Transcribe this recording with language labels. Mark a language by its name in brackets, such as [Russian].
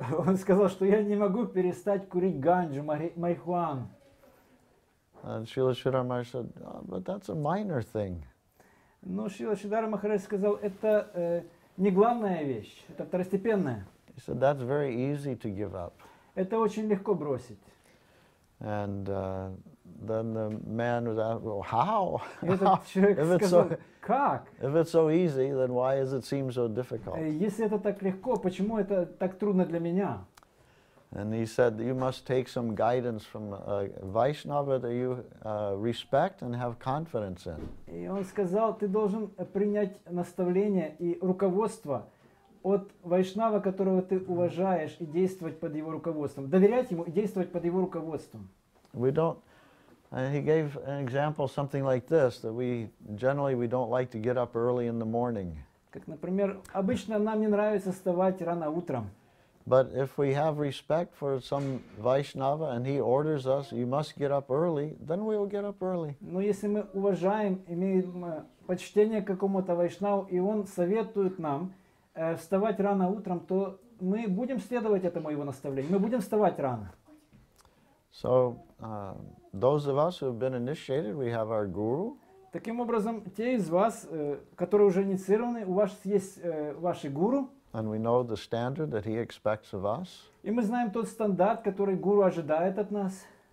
[Russian] Он сказал, что я не могу перестать курить ганджу, марихуану. [English] And Srila Giri Maharaj said, oh, but that's a minor thing. [Russian] Но Шрила Шридхара Махарадж сказал, это не главная вещь, это второстепенная. [English] He said, that's very easy to give up. [Russian] Это очень легко бросить. [English] And then the man was asked, well, how? [Russian] Этот человек [English] if it's [Russian] сказал, [English] so, [Russian] как? [English] If it's so easy, then why does it seem so difficult? [Russian] Если это так легко, почему это так трудно для меня? [English] And he said, you must take some guidance from a Vaishnava that you respect and have confidence in. [Russian] И он сказал, ты должен принять наставление и руководство от Вайшнава, которого ты уважаешь, и действовать под его руководством. Доверять ему и действовать под его руководством. [English] We don't, he gave an example something like this, that we generally we don't like to get up early in the morning. [Russian] Как, например, обычно нам не нравится вставать рано утром. [English] But if we have respect for some Vaishnava and he orders us, you must get up early, then we will get up early. [Russian] Но если мы уважаем, имеем почтение к какому-то Вайшнаву, и он советует нам вставать рано утром, то мы будем следовать этому его наставлению, мы будем вставать рано. [English] So, those of us who have been initiated, we have our guru. [Russian] Таким образом, те из вас, которые уже инициированы, у вас есть ваши гуру. [English] And we know the standard that he expects of us. [Russian] И мы знаем тот стандарт, который гуру ожидает от нас.